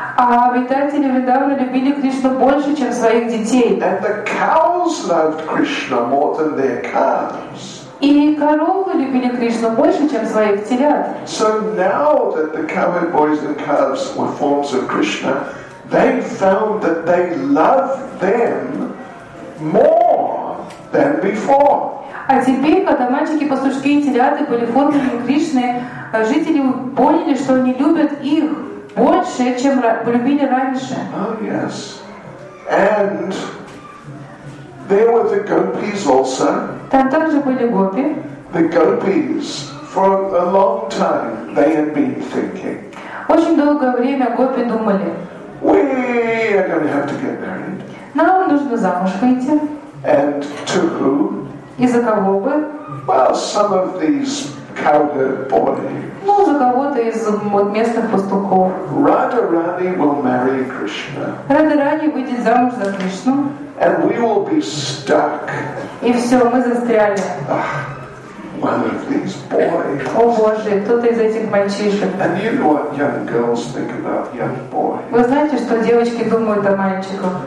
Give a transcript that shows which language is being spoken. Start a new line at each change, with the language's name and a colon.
Russian: А обитатели Вриндавана любили Кришну больше, чем своих детей.
English: And the cows loved Krishna more than their calves.
Russian: И коровы любили Кришну больше, чем своих телят.
English: So now that the cowherd boys and calves were forms of Krishna, they found that they loved them more than before.
Russian: А теперь, когда мальчики, пастушки и теляты были формами Кришны, жители поняли, что они любят их больше, чем полюбили раньше.
English: Oh, yes. And there were the gopis also.
Russian: Там также были гопи.
English: The gopis, for a long time, they had been thinking.
Russian: Очень долгое время гопи думали.
English: We are going to have to get married.
Russian: Нам нужно замуж выйти.
English: And to whom?
Russian: И за кого бы?
English: Well, some of these cowherd boys.
Russian: Ну, за кого-то из местных пастухов.
English: Radharani will marry Krishna.
Russian: Радхарани выйдет замуж за Кришну.
English: And we will be stuck.
Russian: И все, мы застряли.
English: One of these boys.
Russian: О боже, кто-то из этих мальчишек.
English: And you know what young girls think about young boys.
Russian: Вы знаете, что девочки думают о мальчиках?